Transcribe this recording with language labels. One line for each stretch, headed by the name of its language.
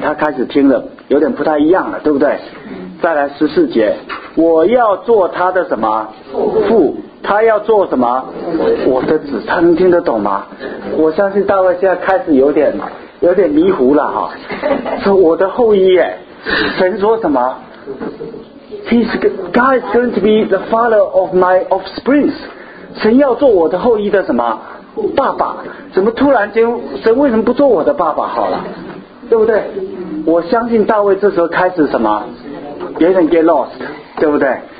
Chinese: 他开始听了有点不太一样了，对不对？再来十四节，我要做他的什么父，他要做什么我的子。他能听得懂吗？我相信大卫现在开始有点迷糊了哈，说我的后裔耶，神说什么？
English: God is going to be the father of my offsprings。
Chinese: 神要做我的后裔的什么爸爸？怎么突然间神为什么不做我的爸爸好了，对不对？我相信大卫这时候开始什么有点
English: get lost，
Chinese: 对不对？